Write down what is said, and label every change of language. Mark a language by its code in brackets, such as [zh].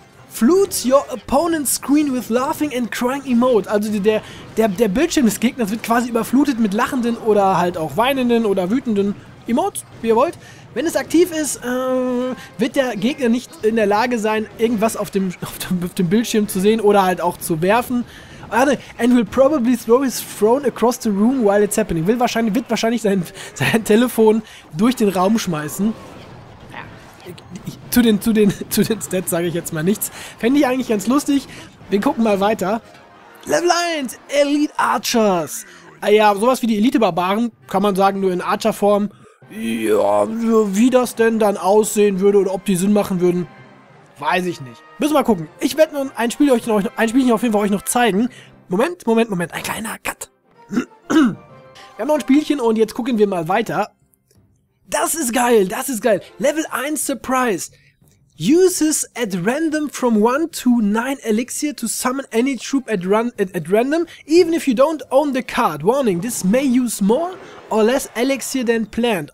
[en] Floods your opponent's screen with laughing and crying emote. [de] Also der Bildschirm des Gegners wird quasi überflutet mit lachenden oder halt auch weinenden oder wütenden Emotes, wie ihr wollt. Wenn es aktiv ist, wird der Gegner nicht in der Lage sein, irgendwas auf dem Bildschirm zu sehen oder halt auch zu werfen. [en] And will probably throw his phone across the room while it's happening. [de] Wird wahrscheinlich sein Telefon durch den Raum schmeißen. Zu den Stats sage ich jetzt mal nichts. Fände ich eigentlich ganz lustig. Wir gucken mal weiter. Level 1, Elite Archers. Ja, sowas wie die Elite-Barbaren, kann man sagen, nur in Archer-Form. Ja, wie das denn dann aussehen würde oder ob die Sinn machen würden, weiß ich nicht. Müssen wir mal gucken. Ich werde nun ein Spielchen auf jeden Fall euch noch zeigen. Moment. Ein kleiner Cut. Wir haben noch ein Spielchen und jetzt gucken wir mal weiter. Das ist geil. Level 1 Surprise. [en] Uses at random from 1 to 9 Elixir to summon any troop at random, even if you don't own the card. Warning, this may use more or less Elixir than planned.